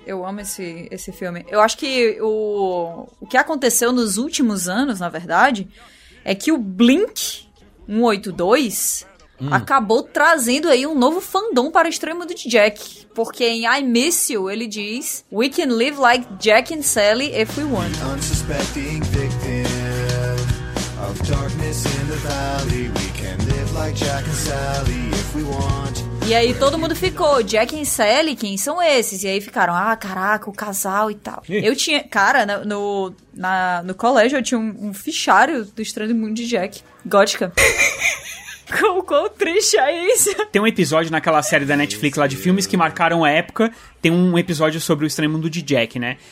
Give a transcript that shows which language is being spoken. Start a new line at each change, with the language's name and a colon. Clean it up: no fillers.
Portuguese: Eu amo esse filme. Eu acho que o que aconteceu nos últimos anos, na verdade... É que o Blink 182 acabou trazendo aí um novo fandom para o Estranho Mundo de Jack. Porque em I Miss You, ele diz...
English: We can live like Jack and Sally if we want. The unsuspecting victim of darkness in the valley. We can live like Jack and Sally if we want.
Portuguese: E aí todo mundo ficou, Jack e Sally, quem são esses? E aí ficaram, ah, caraca, o casal e tal. Eu tinha, cara, no colégio eu tinha um fichário do Estranho Mundo de Jack, gótica. Quão triste é isso? Tem um episódio naquela série da Netflix lá de filmes que marcaram a época, tem um episódio sobre o Estranho Mundo de Jack, né?